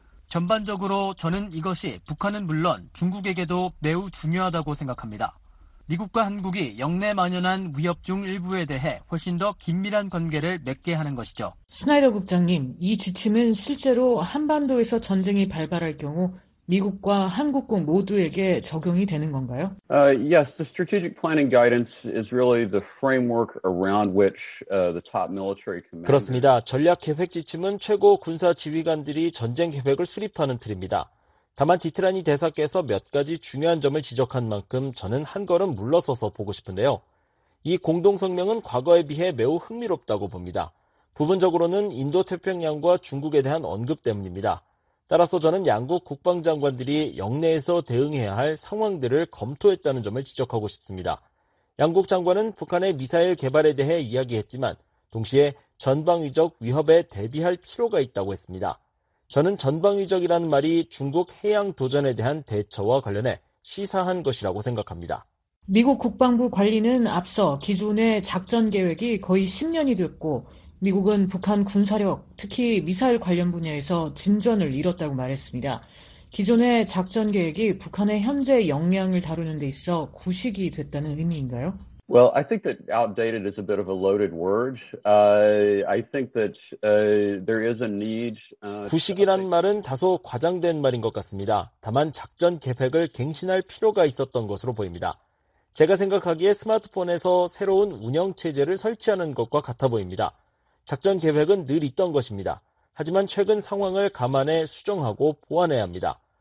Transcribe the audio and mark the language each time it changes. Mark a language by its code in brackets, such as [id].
[ko] 전반적으로 저는 이것이 북한은 물론 중국에게도 매우 중요하다고 생각합니다. 미국과 한국이 영내 만연한 위협 중 일부에 대해 훨씬 더 긴밀한 관계를 맺게 하는 것이죠. 스나이더 국장님, 이 지침은 실제로 한반도에서 전쟁이 발발할 경우 미국과 한국군 모두에게 적용이 되는 건가요? [en] Yes, the strategic planning guidance is really the framework around which the top military commanders. [ko] 그렇습니다. 전략 계획 지침은 최고 군사 지휘관들이 전쟁 계획을 수립하는 틀입니다. 다만 디트라니 대사께서 몇 가지 중요한 점을 지적한 만큼 저는 한 걸음 물러서서 보고 싶은데요. 이 공동성명은 과거에 비해 매우 흥미롭다고 봅니다. 부분적으로는 인도태평양과 중국에 대한 언급 때문입니다. 따라서 저는 양국 국방장관들이 영내에서 대응해야 할 상황들을 검토했다는 점을 지적하고 싶습니다. 양국 장관은 북한의 미사일 개발에 대해 이야기했지만 동시에 전방위적 위협에 대비할 필요가 있다고 했습니다. 저는 전방위적이라는 말이 중국 해양 도전에 대한 대처와 관련해 시사한 것이라고 생각합니다. 미국 국방부 관리는 앞서 기존의 작전 계획이 거의 10년이 됐고 미국은 북한 군사력, 특히 미사일 관련 분야에서 진전을 이뤘다고 말했습니다. 기존의 작전 계획이 북한의 현재 역량을 다루는 데 있어 구식이 됐다는 의미인가요? [en] Well, I think that outdated is a bit of a loaded word. I think that there is a need. [ko] 구식이란 말은 다소 과장된 말인 것 같습니다. 다만 작전 계획을 갱신할 필요가 있었던 것으로 보입니다. 제가 생각하기에 스마트폰에서 새로운 운영체제를 설치하는 것과 같아 보입니다. 작전 계획은 늘 있던 것입니다. 하지만 최근 상황을 감안해 수정하고 보완해야 합니다.